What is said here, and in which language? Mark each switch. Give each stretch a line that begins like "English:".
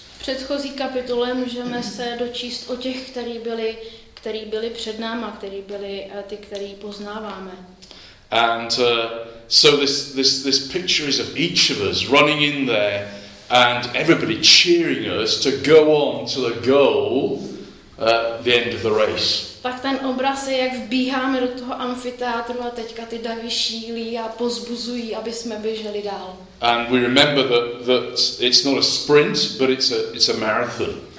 Czech: V předchozí kapitole můžeme se dočíst o těch, kteří byli před náma, kteří byli ty, kteří poznáváme.
English: And so this picture is of each of us running in there and everybody cheering us to go on to the goal at the end of the race.
Czech: Tak ten obraz je, jak vbíháme do toho amfiteátru a teďka ty davy šílí a pozbuzují, aby jsme běželi dál.
English: And we remember that it's not a sprint, but it's a marathon.